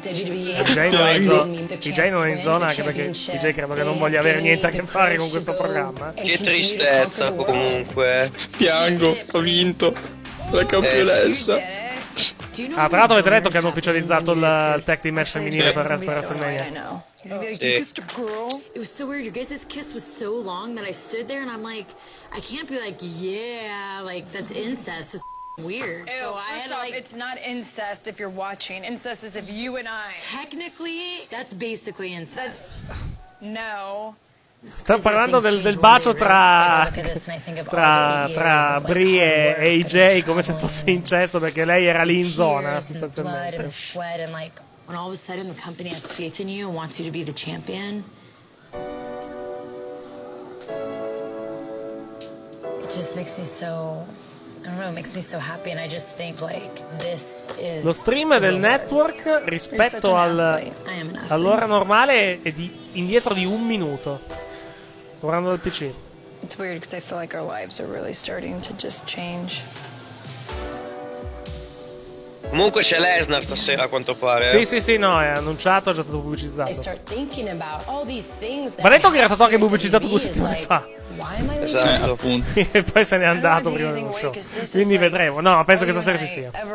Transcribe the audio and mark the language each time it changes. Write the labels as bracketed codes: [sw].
[it] TJ non è in zona, anche perché TJ credo che non voglia avere niente a che fare con questo programma. Che tristezza, comunque. Piango, ho vinto la campionessa. Ah, tra l'altro avete detto che hanno ufficializzato il tag team match femminile per WrestleMania. [en] It was so weird. Your guys' kiss was so long that I stood there and I'm like, I can't be like, yeah, like that's incest. Weird. Ew, so I first had off, like, it's not incest if you're watching. Incest is if you and I. Technically, that's basically incest. That's, no. [it] Sto parlando del bacio tra Brie e AJ come se fosse incesto perché lei era lì in zona sostanzialmente. [en] And like, when all of a sudden the company has faith in you and wants you to be the champion. It just makes me so. I don't know, it makes me so happy and I just think like this is [it] lo stream del network rispetto all'ora normale è di indietro di un minuto. Guardando il PC. [en] It's weird because I feel like our lives are really starting to just change. [it] Comunque c'è Lesnar stasera a quanto pare. Sì, no, è annunciato, è già stato pubblicizzato. Ma detto che era stato anche pubblicizzato 2 settimane fa. Esatto, appunto. E poi se n'è andato prima dello show. Quindi vedremo. No, penso che stasera ci sia.